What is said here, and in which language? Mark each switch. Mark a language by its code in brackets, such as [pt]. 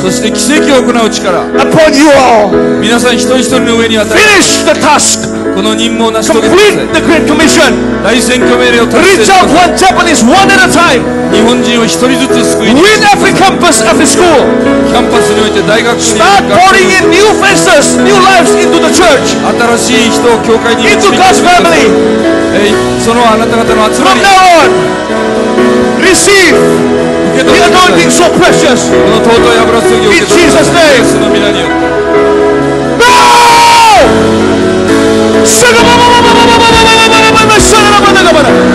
[ja] そして奇跡を行う力。 [en] Upon you all. [ja] 皆さん一人一人の上に与えます。 [en] Finish the task. [ja] この任務を成し遂げてください。 [en] Complete the great commission. [ja] 大宣教命令を達成してください。 [en] Reach out one Japanese one at a time. [ja] 日本人を一人ずつ救い。 [en] With every campus, every school. [ja] キャンパスにおいて大学に。 [en] Start pouring in new faces, new lives into the church. [ja] 新しい人を教会に。 [en] Into God's family. [ja] そのあなた方の集まり。 [en] From now on, receive. [ja] 受け取ってください。 [en] The anointing so precious. [ja] この尊い油注ぎを受け取ってください。 [en] In Jesus' name. Go! シャガババババババババババババババシャガラバダガバダ。